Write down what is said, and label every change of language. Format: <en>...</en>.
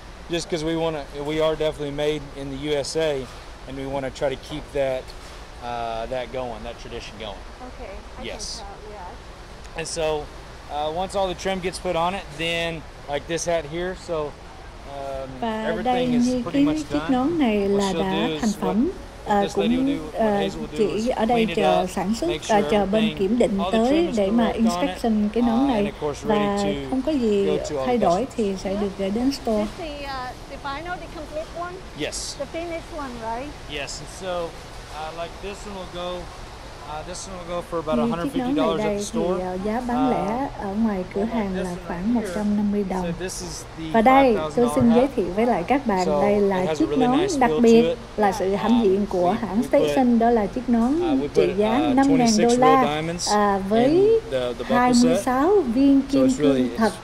<en>Just because we are definitely made in the USA and we want to try to keep that going, that tradition going. Okay. Yes. And so once all the trim gets put on it, then like this hat here, so everything is pretty much done.</en> <vi>Chiếc nón này là đã thành phẩm. Cũng chỉ ở đây chờ sản xuất, chờ bên kiểm định tới để mà inspection cái nón này. Và không có gì thay đổi thì sẽ được gửi đến store.</vi> <en>This is the final, the complete one? Yes. The finished one, right? Yes, and so like this one will go. This one will go for about $150 at the store.</en> <vi>Thì giá bán lẻ ở ngoài cửa hàng là khoảng 150 đồng. Và đây, tôi xin giới thiệu với lại các bạn, đây là chiếc nón đặc biệt là sự hãnh diện của hãng Station. Đó là chiếc nón trị giá $5,000 với 26 viên kim cương thật.</vi>